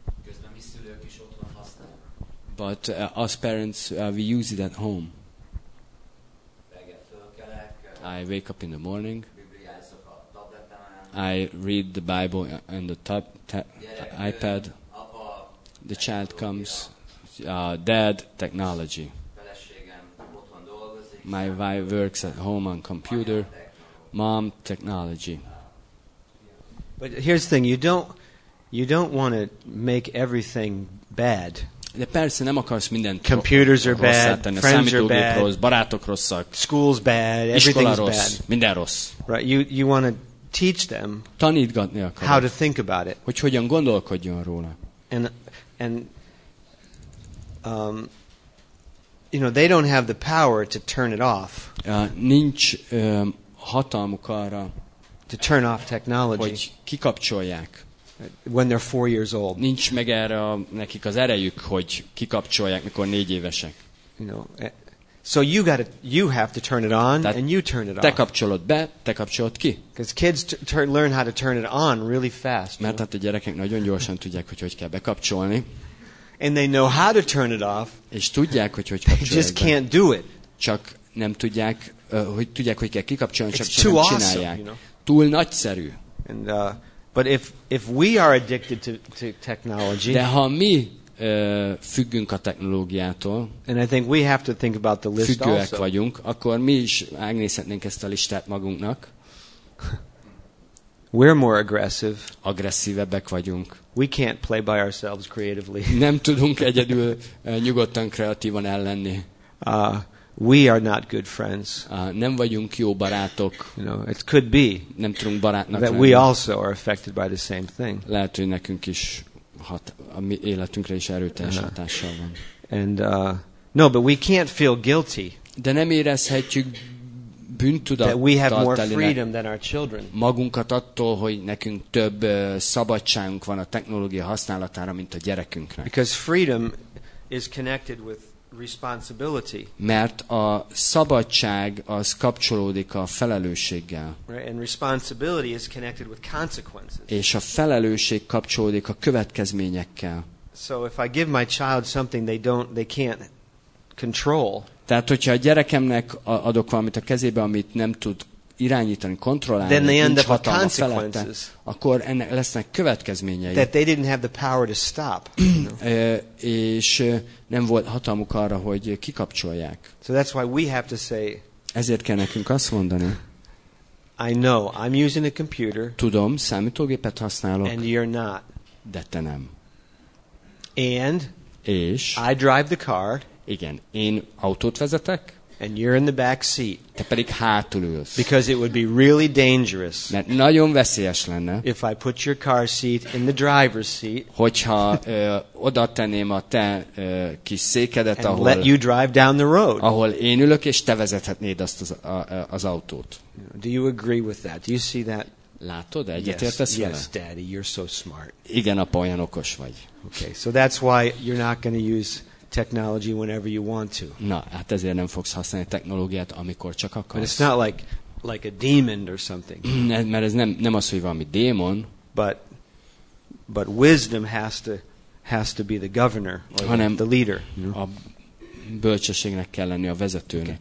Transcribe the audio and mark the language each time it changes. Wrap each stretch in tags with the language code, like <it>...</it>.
<hu>Közben mi szülők is ott van használva.</hu> <en>But us parents, we use it at home.</en> <hu>Reggel fölkelek.</hu> <en>I wake up in the morning.</en> <hu>Bibliázok a tabletemen.</hu> <en>I read the Bible on the iPad.</en> <hu>Apa,</hu> <en>the child comes. Dad, technology.</en> <hu>Feleségem otthon dolgozik.</hu> <en>My wife works at home on computer. Mom, technology. But here's the thing, you don't want to make everything bad.</en> <hu>De persze nem akarsz mindent.</hu> <en>Computers are bad, friends are bad,</en> <hu>barátok rosszak.</hu> <en>School's bad, everything's</en> <hu>rossz,</hu> <en>bad.</en> <hu>Minden rossz.</hu> <en>Right, you want to teach them.</en> <hu>Tanítgatni akarod.</hu> <en>How to think about it.</en> <hu>Hogy hogyan gondolkodjon róla.</hu> <en>And you know, they don't have the power to turn it off.</en> <hu>Nincs hatalmuk arra,</hu> <en>to turn off technology.</en> <hu>Hogy kikapcsolják.</hu> <en>When they're 4 years old.</en> <hu>Nincs meg erre nekik az erejük, hogy kikapcsolják, mikor 4 évesek.</hu> <en>You know, so you have to turn it on,</en> <hu>tehát</hu> <en>and you turn it off.</en> <hu>Te kapcsolod be, te kapcsolod ki.</hu> <en>Because kids learn how to turn it on really fast.</en> <hu>Mert hát a gyerekek nagyon gyorsan tudják, hogy kell bekapcsolni.</hu> <en>And they know how to turn it off.</en> <hu>És tudják, hogy kapcsolják</hu> <en>be. Just can't do it.</en> <hu>Csak nem tudják, hogy tudják, hogy kell kikapcsolni, csak nem csinálják. Túl nagyszerű.</hu> <en>And but if we are addicted to technology,</en> <hu>de ha mi függünk a technológiától,</hu> <en>and I think we have to think about the list also.</en> <hu>Függőek vagyunk, akkor mi is megnézhetnénk ezt a listát magunknak.</hu> <en>We're more aggressive.</en> <hu>Agresszívebbek vagyunk.</hu> <en>We can't play by ourselves creatively.</en> <hu>Nem tudunk egyedül nyugodtan kreatívan ellenni.</hu> <en>We are not good friends.</en> <hu>Nem vagyunk jó barátok.</hu> <en>You know, it could be.</en> <hu>Nem tudunk barátnak lenni.</hu> <en>We also are affected by the same thing.</en> <hu>Lehet, hogy nekünk is a mi életünkre is erőteljes hatással van.</hu> <en>And no, but we can't feel guilty.</en> <hu>De nem érezhetjük bűntudattal.</hu> <en>That we have more freedom than our children.</en> <hu>Magunkat attól, hogy nekünk több szabadságunk van a technológia használatára, mint a gyerekünknek.</hu> <en>Because freedom is connected with responsibility.</en> <hu>Mert a szabadság az kapcsolódik a felelősséggel.</hu> <en>Right, and responsibility is connected with consequences.</en> <hu>És a felelősség kapcsolódik a következményekkel.</hu> <en>So if I give my child something they can't control.</en> <hu>Tehát hogyha a gyerekemnek adok valamit a kezébe, amit nem tud irányítani, kontrollálni,</hu> <en>then they end up with consequences.</en> <hu>Akkor ennek lesznek következményei.</hu> <en>That they didn't have the power to stop. You know?</en> <hu>És nem volt hatalmuk arra, hogy kikapcsolják.</hu> <en>So that's why we have to say.</en> <hu>Ezért kell nekünk azt mondani.</hu> <en>I know, I'm using a computer.</en> <hu>Tudom, számítógépet használok.</hu> <en>And you're not.</en> <hu>De te nem.</hu> <en>And.</en> <hu>És.</hu> <en>I drive the car.</en> <hu>Igen, én autót vezetek.</hu> <en>And you're in the back seat.</en> <hu>Te pedig hátul ülsz.</hu> <en>Because it would be really dangerous.</en> <hu>Mert nagyon veszélyes lenne.</hu> <en>If I put your car seat in the driver's seat.</en> <hu>Hogyha oda tenném a te kis székedet, ahol.</hu> <en>And let you drive down the road.</en> <hu>Ahol én ülök és te vezethetnéd azt az autót.</hu> <en>Do you agree with that? Do you see that?</en> <hu>Látod, egyetértesz vele?</hu> <en>Yes, daddy, you're so smart.</en> <hu>Igen, apa, olyan okos vagy.</hu> <en>Okay, so that's why you're not going to use technology whenever you want to.</en> <hu>Na, hát ezért nem fogsz használni technológiát, amikor csak akarsz.</hu> <en>But it's not like a demon or something.</en> <hu>Mert ez nem az, hogy valami démon.</hu> <en>But wisdom has to be the governor or the leader.</en> <hu>A bölcsességnek kell lenni a vezetőnek, okay.</hu>